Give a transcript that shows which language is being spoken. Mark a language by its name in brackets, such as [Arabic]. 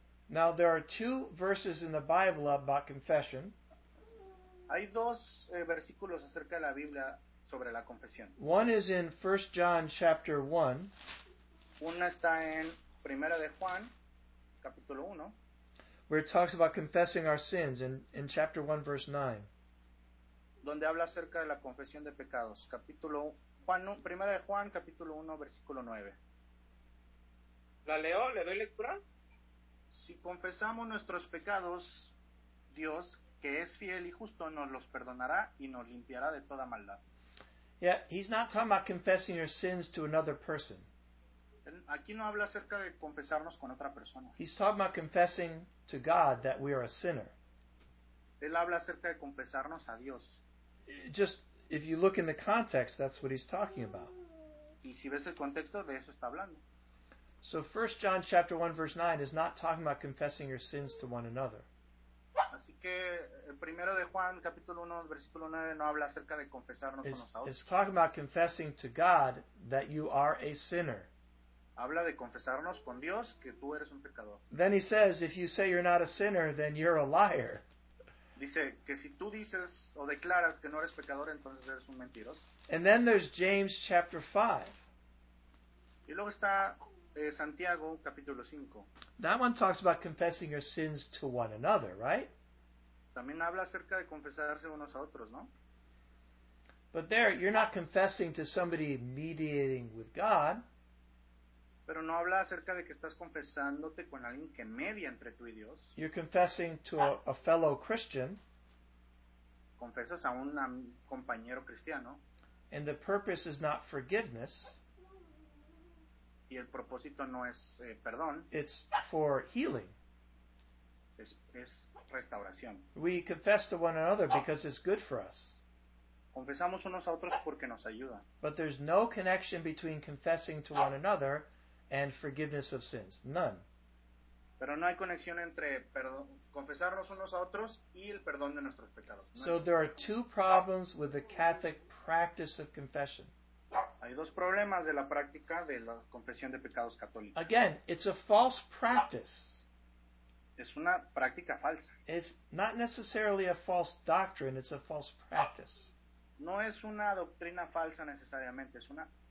[English] Now, there are two verses in the Bible about confession. [Spanish] Hay dos versículos acerca de la Biblia sobre la confesión. [English] One is in 1 John chapter 1. [Spanish] Una está en Primera de Juan, capítulo 1. [English] Where it talks about confessing our sins in chapter 1, verse 9. [Spanish] Donde habla acerca de la confesión de pecados. Primera de Juan, capítulo 1, versículo 9. ¿La leo? ¿Le doy lectura? Si confesamos nuestros pecados, Dios, que es fiel y justo, nos los perdonará y nos limpiará de toda maldad. [English] Yeah, he's not talking about confessing your sins to another person. [Spanish] Aquí no habla acerca de confesarnos con otra persona. [English] He's talking about confessing to God that we are a sinner. [Spanish] Él habla acerca de confesarnos a Dios. [English] Just, if you look in the context, that's what he's talking about. [Spanish] Y si ves el contexto, de eso está hablando. [English] So 1 John chapter 1 verse 9 is not talking about confessing your sins to one another. [Spanish] Así que el primero de Juan capítulo 1 versículo 9 no habla acerca de confesarnos unos a otros. [English] It's talking about confessing to God that you are a sinner. [Spanish] Habla de confesarnos con Dios que tú eres un pecador. [English] Then he says, if you say you're not a sinner, then you're a liar. [Spanish] Dice que si tú dices o declaras que no eres pecador, entonces eres un mentiroso. [English] And then there's James chapter 5. [Spanish] Y luego está Santiago, capítulo 5. [English] That one talks about confessing your sins to one another, right? [Spanish] También habla acerca de confesarse unos a otros, ¿no? [English] But there, you're not confessing to somebody mediating with God. [Spanish] Pero no habla acerca de que estás confesándote con alguien que media entre tú y Dios. [English] You're confessing to a fellow Christian. [Spanish] Confesas a un compañero cristiano. [English] And the purpose is not forgiveness. [Spanish] Y el propósito no es perdón. [English] It's for healing. [Spanish] Es restauración. [English] We confess to one another because it's good for us. [Spanish] Confesamos unos a otros porque nos ayuda. [English] But there's no connection between confessing to one another and forgiveness of sins. None. [Spanish] pero no hay conexión entre confesarnos unos a otros y el perdón de nuestros pecados. [English] No, so there are two problems with the Catholic practice of confession. [Spanish] Hay dos problemas de la práctica de la confesión de pecados católicos. [English] Again, it's a false practice. [Spanish] Es una práctica falsa. [English] It's not necessarily a false doctrine, it's a false practice. [Spanish] No es una doctrina falsa necesariamente, es una